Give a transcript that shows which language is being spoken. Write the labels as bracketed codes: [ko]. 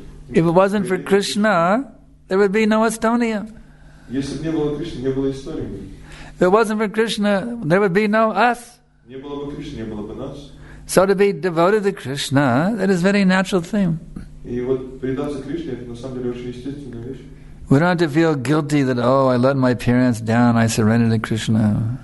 [en] If it wasn't for Krishna, there would be no Estonia. [ru] Если бы не было Кришны, не было Эстонии. [en] If it wasn't for Krishna, there would be no us. [ru] Не было бы Кришны, не было бы нас. [en] So to be devoted to Krishna, that is a very natural thing. [ru] И вот предаться Кришне, это на самом деле очень естественная вещь. [en] We don't have to feel guilty that, oh, I let my parents down, I surrendered to Krishna.